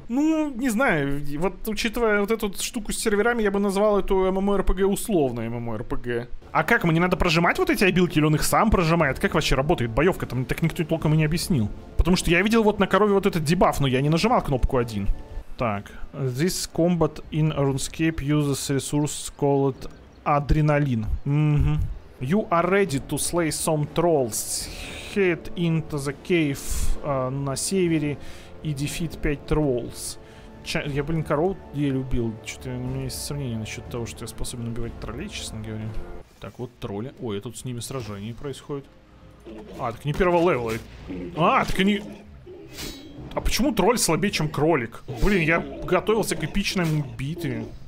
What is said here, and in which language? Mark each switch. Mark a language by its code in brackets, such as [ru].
[ru] Ну, не знаю, вот учитывая вот эту штуку с серверами, я бы назвал эту MMORPG условно MMORPG. А как, мне надо прожимать вот эти обилки, или он их сам прожимает? Как вообще работает боевка-то? Мне так никто толком и не объяснил. Потому что я видел вот на корове вот этот дебаф, но я не нажимал кнопку 1. Так. [en] This combat in RuneScape uses resource called adrenaline. Mm-hmm. You are ready to slay some trolls. Head into the cave [ru] на севере [en] и defeat 5 trolls. [ru] Я, блин, коров еле убил. Что-то у меня есть сомнения насчет того, что я способен убивать троллей, честно говоря. Так, вот тролли. Ой, а тут с ними сражение происходит. А, так не первого левела. А, так они... А почему тролль слабее, чем кролик? Блин, я готовился к эпичной битве.